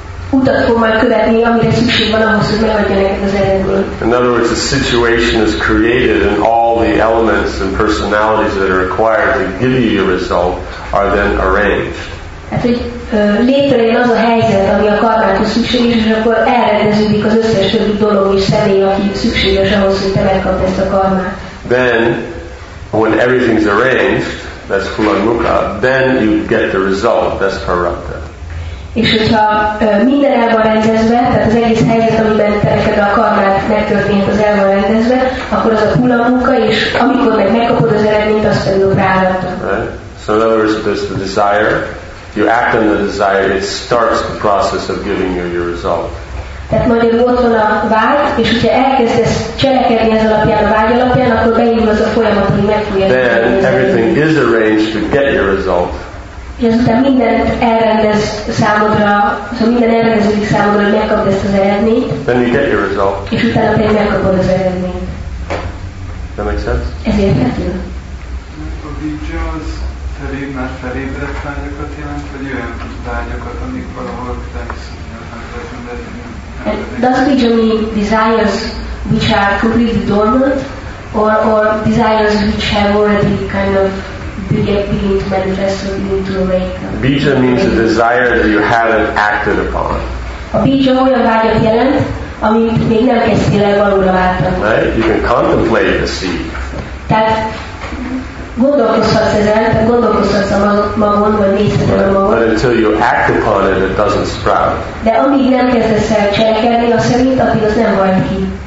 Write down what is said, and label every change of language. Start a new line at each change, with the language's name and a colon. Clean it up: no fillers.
Hungarian: Utat fog majd követni, amire szükség van ahhoz, hogy megadja neked az eredményt.
English: In other words, a situation is created and all the elements and personalities that are required to give you your result are then arranged.
Hungarian: Hát, hogy létrejön az a helyzet, ami a karmához szükséges, és akkor elrendeződik az összes többi dolog és személy, aki szükséges ahhoz, hogy te megkapd ezt a karmát.
English: Then, when everything's arranged, that's kulanmukha, then you get the result, that's parata.
Hungarian: És hogyha minden el van rendezve, tehát az egész helyzet, amiben teheted a karmát megtörtént, az el van rendezve, akkor az a kula munka, és amikor meg megkapod az eredményt, azt pedig a
English: prálata. So in other words, there's the desire. You act on the desire, it starts the process of giving you your result.
Hungarian: Tehát magyarul ott van a vágy, és hogyha elkezdesz cselekedni ez alapján, a vágy alapján, akkor beindul az a folyamat, hogy meg fogja.
English: Then everything is arranged to get your result.
Hungarian: És aztán mindent elrendez számodra, szóval minden elrendeződik számodra, hogy megkapd ezt az eredményt.
English: Then you get your result.
Hungarian: És utána pedig megkapod az eredményt.
English: That makes sense?
Hungarian: Ez érthető. A vidzsa az felébb, már felébredt vágyakat jelent, vagy olyan vágyakat, amik valahol felszúrják.
English: Does vidzsa mean desires which are completely dormant, or desires which have already kind of to get beginning to manifest or beginning to awaken. Bija means a desire that you haven't acted upon.
Hungarian: A bija olyan vágyat jelent, amit még nem kezdtél el valóra váltani.
English: Right? You can contemplate the seed.
Hungarian: Tehát gondolkozhatsz ezen, tehát gondolkozhatsz a magon, vagy nézheted a magon.
English: But until you act upon it, it doesn't sprout.
Hungarian: De amíg nem kezdesz el cselekedni, a szerint, addig az nem vagy ki.